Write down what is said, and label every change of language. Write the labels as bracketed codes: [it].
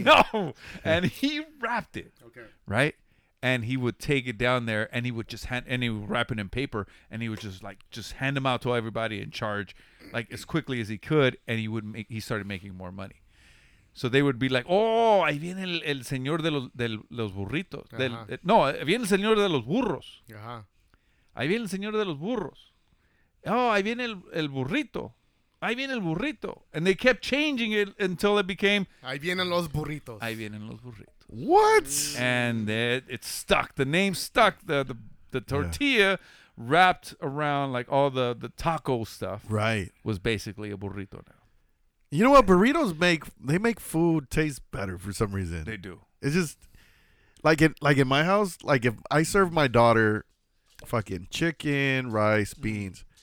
[en] No. And he wrapped it. Okay. Right? And he would take it down there, and he would just wrap it in paper, and he would just like just hand them out to everybody in charge like as quickly as he could, and he started making more money. So they would be like, oh, [es] ahí viene el señor de los burritos. Uh-huh. Ahí viene el señor de los burros. Ajá. Uh-huh. Ahí viene el señor de los burros. Oh, ahí viene el burrito. Ahí viene el burrito. [en] And they kept changing it until it became... [es] Ahí vienen los burritos. Ahí vienen los burritos. [en] What? And it stuck. The name stuck. The tortilla wrapped around like all the taco stuff. Right. Was basically a burrito now. You know what? Burritos make food taste better for some reason. They do. It's just like in my house, like if I serve my daughter... fucking chicken, rice, beans.